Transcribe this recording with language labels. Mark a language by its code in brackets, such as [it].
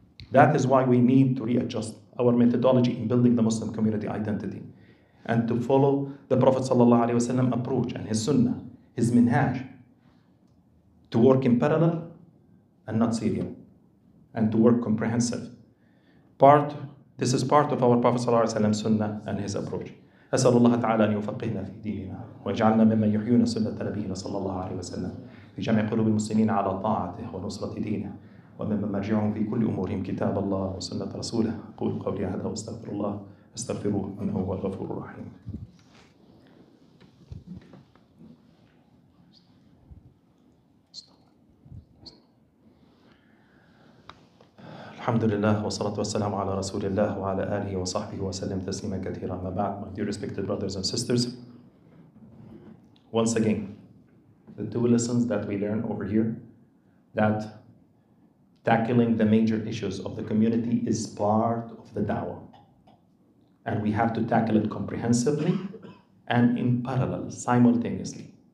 [en] That is why we need to readjust our methodology in building the Muslim community identity and to follow the Prophet ﷺ approach and his sunnah, his minhaj, to work in parallel and not serial, and to work comprehensive. This is part of our Prophet sallallahu alaihi wasallam sunnah and his approach. [ar] أسأل الله تعالى أن يوفقنا في ديننا ويجعلنا ممن يحيون سنة نبينا صلى الله عليه وسلم في جميع قلوب المسلمين على طاعته ونصرة دينه وممن مرجعهم في كل أمورهم كتاب الله وسنة رسوله. قول قولي هذا واستغفر الله استغفروه إنه هو الغفور الرحيم. الحمد لله والصلاة والسلام على رسول الله وعلى آله وصحبه وسلم تسليما كثيرا. [en] ما بعد, my dear respected brothers and sisters, once again, the two lessons that we learn over here, that tackling the major issues of the community is part of the da'wah, and we have to tackle it comprehensively and in parallel, simultaneously.